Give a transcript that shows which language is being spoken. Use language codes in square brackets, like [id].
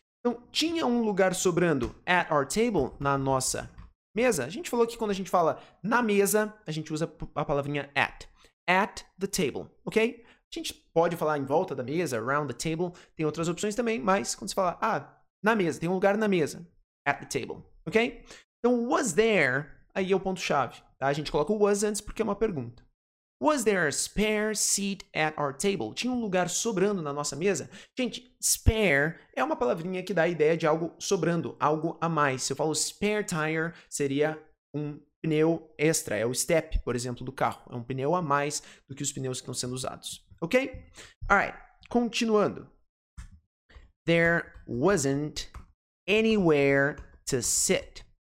[pt] Então, tinha um lugar sobrando [en] at our table, [pt] na nossa mesa? A gente falou que quando a gente fala na mesa, a gente usa a palavrinha at. [en] At the table, [pt] ok? A gente pode falar em volta da mesa, [en] around the table. [pt] Tem outras opções também, mas quando você fala, na mesa, tem um lugar na mesa. [en] At the table, [pt] ok? Então, was there, aí é o ponto-chave. Tá? A gente coloca o was antes porque é uma pergunta. [en] Was there a spare seat at our table? [pt] Tinha um lugar sobrando na nossa mesa? Gente, spare é uma palavrinha que dá a ideia de algo sobrando, algo a mais. Se eu falo spare tire, seria um pneu extra. É o step, por exemplo, do carro. É um pneu a mais do que os pneus que estão sendo usados. [en] Ok? Alright, [pt] continuando. [en] There wasn't anywhere to sit.